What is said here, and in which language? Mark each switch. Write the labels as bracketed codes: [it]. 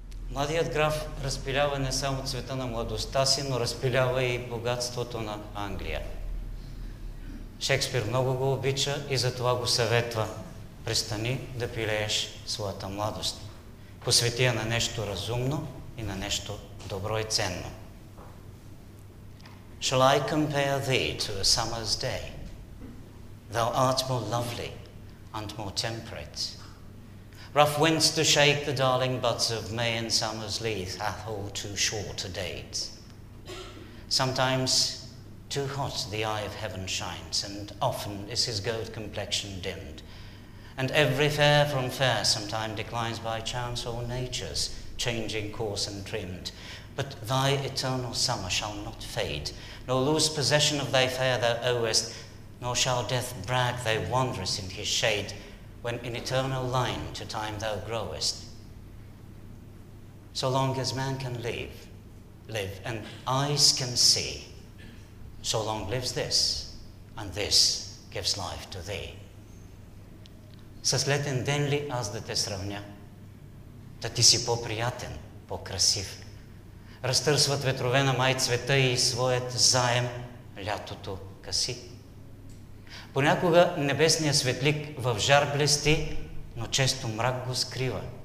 [bg] Младият граф разпилява не само цвета на младостта си, но разпилява и богатството на Англия. Шекспир много го обича и затова го съветва. Престани да пилееш своята младост. Посвети я на нещо разумно и на нещо добро и ценно. [en] Shall I compare thee to a summer's day? Thou art more lovely and more temperate. Rough winds to shake the darling buds of May and summer's leaves hath hold too short a date. Sometimes too hot the eye of heaven shines, and often is his gold complexion dimmed. And every fair from fair sometime declines by chance or nature's changing course and trimmed. But thy eternal summer shall not fade, nor lose possession of thy fair thou owest, nor shall death brag thy wanderers in his shade, when in eternal line to time thou growest. So long as man can live and eyes can see, so long lives this, and this gives life to thee. [bg] Със летен ден ли аз да те сравня? Та ти си по-приятен, по-красив. Разтърсват ветрове на май цвета и своят заем лятото къси. Понякога небесният светлик в жар блести, но често мрак го скрива.